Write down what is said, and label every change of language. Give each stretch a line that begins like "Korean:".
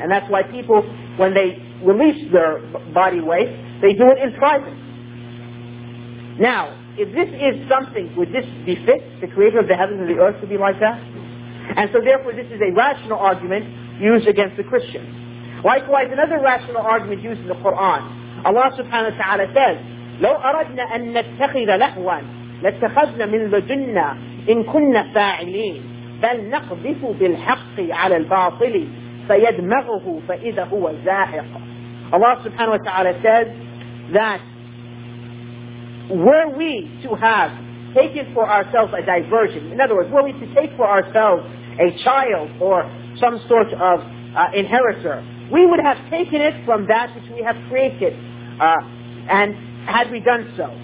English: And that's why people, when they release their body waste, they do it in private. Now, if this is something, would this befit the creator of the heavens and the earth to be like that? And so therefore this is a rational argument used against the Christians. Likewise, another rational argument used in the Quran.
Arabic: Allah subhanahu wa ta'ala says, لَوْ أَرَدْنَا أَن نَتَّخِذَ لَهْوًا لَتَّخَذْنَا مِنْ لَدُنَّا إِن كُنَّا فَاعِلِينَ بَلْ نَقْذِفُ بِالْحَقِّ عَلَى الْبَاطِلِ فَيَدْمَغُهُ فَإِذَا هُوَ زَاهِقٌ.
English: Allah subhanahu wa ta'ala says that were we to have taken for ourselves a diversion, in other words, were we to take for ourselves a child or some sort of inheritor, we would have taken it from that which we have created, and had we done so.